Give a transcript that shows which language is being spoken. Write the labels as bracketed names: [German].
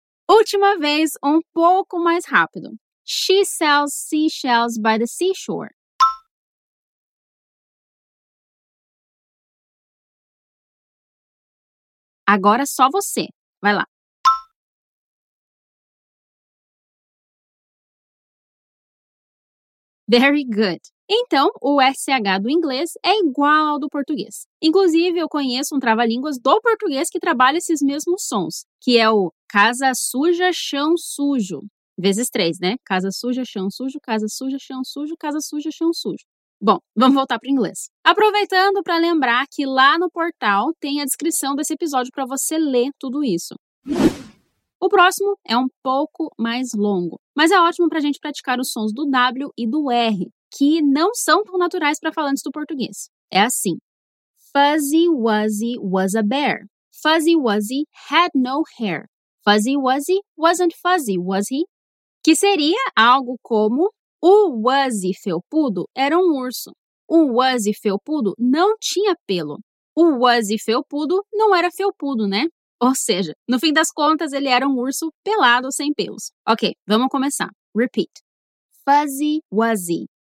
[Portuguese] Última vez, um pouco mais rápido. [English] She sells seashells by the seashore. [Portuguese] Agora só você. Vai lá. [English] Very good. [Portuguese] Então, o SH do inglês é igual ao do português. Inclusive, eu conheço um trava-línguas do português que trabalha esses mesmos sons, que é o casa suja, chão sujo. Vezes três, né? Casa suja, chão sujo, casa suja, chão sujo, casa suja, chão sujo. Bom, vamos voltar para o inglês. Aproveitando para lembrar que lá no portal tem a descrição desse episódio para você ler tudo isso. O próximo é um pouco mais longo, mas é ótimo para a gente praticar os sons do W e do R, que não são tão naturais para falantes do português. É assim: [English] Fuzzy Wuzzy was a bear. Fuzzy Wuzzy had no hair. Fuzzy Wuzzy wasn't fuzzy, was he? [Portuguese] Que seria algo como: o Wuzzy Felpudo era um urso. O Wuzzy Felpudo não tinha pelo. O Wuzzy Felpudo não era felpudo, né? Ou seja, no fim das contas, ele era um urso pelado sem pelos. Ok, vamos começar. [English] Repeat. Fuzzy Wuzzy.